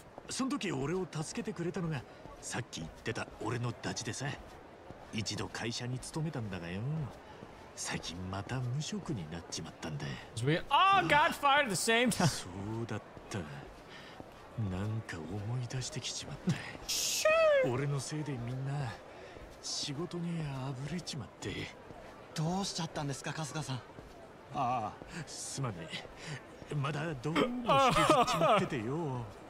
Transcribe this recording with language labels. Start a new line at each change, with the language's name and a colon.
Japanese: その時俺を助けてくれたのがさっき言ってた俺のダチでさ。一度会社に勤めたんだがよ、最近また無職になっちまったんだ。
English: We all got fired at the same time.
Japanese: そうだった。なんか思い出してきちまった。俺のせいでみんな仕事にあぶれちまって。どうしちゃったんですか、春日さん。ああ、すまねえ。まだどうもしてきちまっててよ。